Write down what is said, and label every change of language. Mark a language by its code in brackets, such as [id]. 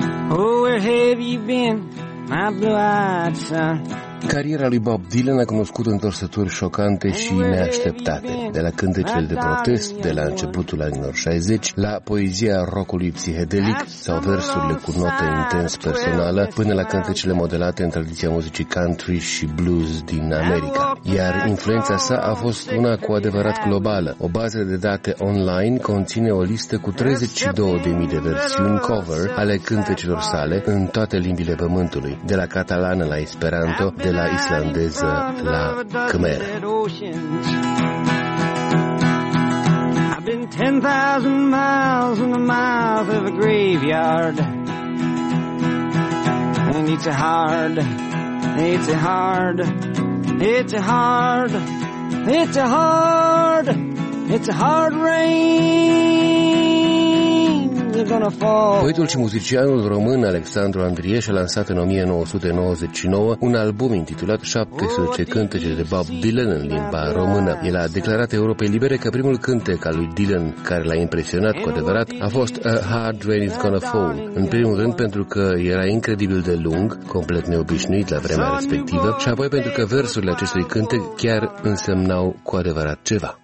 [en] Oh, where have you been, my blue-eyed son? [ro] Cariera lui Bob Dylan a cunoscut întorsături șocante și neașteptate, de la cântecele de protest, de la începutul anilor 60, la poezia rock-ului psihedelic sau versurile cu note intens personală, până la cântecele modelate în tradiția muzicii country și blues din America. Iar influența sa a fost una cu adevărat globală. O bază de date online conține o listă cu 32.000 de versiuni cover ale cântecelor sale în toate limbile pământului, de la catalană la esperanto, de la islandeză la khmer. [en] I've been 10,000 miles in the mouth of a graveyard. And it's a hard, it's a hard, it's a hard, it's a hard, it's a hard rain. [ro] Poetul și muzicianul român Alexandru Andrieș a lansat în 1999 un album intitulat 17 cântece de Bob Dylan în limba română. El a declarat Europei Libere că primul cântec al lui Dylan care l-a impresionat cu adevărat a fost A Hard Rain Is Gonna Fall, în primul rând pentru că era incredibil de lung, complet neobișnuit la vremea respectivă, și apoi pentru că versurile acestui cântec chiar însemnau cu adevărat ceva.